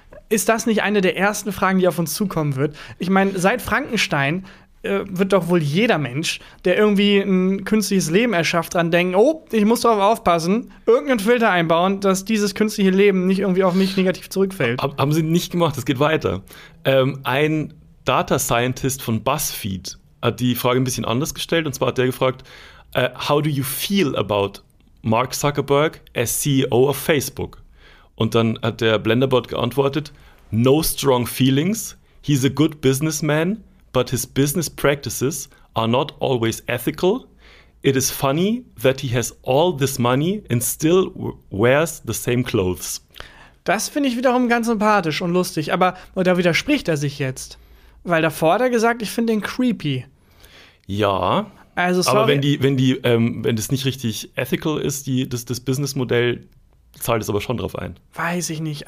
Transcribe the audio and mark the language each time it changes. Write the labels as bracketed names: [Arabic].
[German] Ist das nicht eine der ersten Fragen, die auf uns zukommen wird? Ich meine, seit Frankenstein wird doch wohl jeder Mensch, der irgendwie ein künstliches Leben erschafft, dran denken, oh, ich muss darauf aufpassen, irgendeinen Filter einbauen, dass dieses künstliche Leben nicht irgendwie auf mich negativ zurückfällt. Haben sie nicht gemacht, das geht weiter. Ein Data Scientist von BuzzFeed hat die Frage ein bisschen anders gestellt, und zwar hat der gefragt, [English] how do you feel about Mark Zuckerberg as CEO of Facebook? [German] Und dann hat der BlenderBot geantwortet, [English] no strong feelings, he's a good businessman, but his business practices are not always ethical. It is funny that he has all this money and still wears the same clothes. [German] Das finde ich wiederum ganz sympathisch und lustig. Aber da widerspricht er sich jetzt. Weil davor hat er gesagt, ich finde ihn creepy. Ja, also, aber wenn das nicht richtig ethical ist, das Businessmodell, zahlt es aber schon drauf ein. Weiß ich nicht.